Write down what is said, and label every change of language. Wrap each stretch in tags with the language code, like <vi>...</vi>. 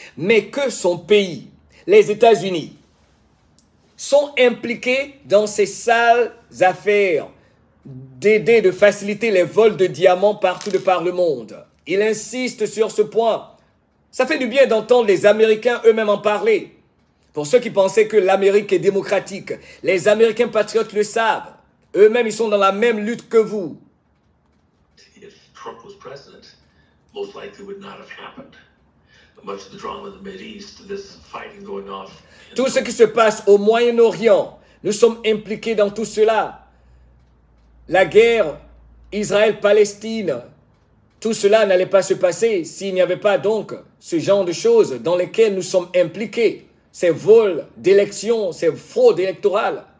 <fr>Mais que son pays, les États-Unis, sont impliqués dans ces sales affaires d'aider, de faciliter les vols de diamants partout de par le monde. Il insiste sur ce point. Ça fait du bien d'entendre les Américains eux-mêmes en parler. Pour ceux qui pensaient que l'Amérique est démocratique, les Américains patriotes le savent. Eux-mêmes, ils sont dans la même lutte que vous.</fr> <en>If Trump was president, most likely would not have happened. Much of the drama in the Middle East, this fighting going off.</en> <fr>Tout ce qui se passe au Moyen-Orient, nous sommes impliqués dans tout cela. La guerre Israël-Palestine, tout cela n'allait pas se passer s'il n'y avait pas donc ce genre de choses dans lesquelles nous sommes impliqués. Ces vols d'élections, ces fraudes électorales.</fr>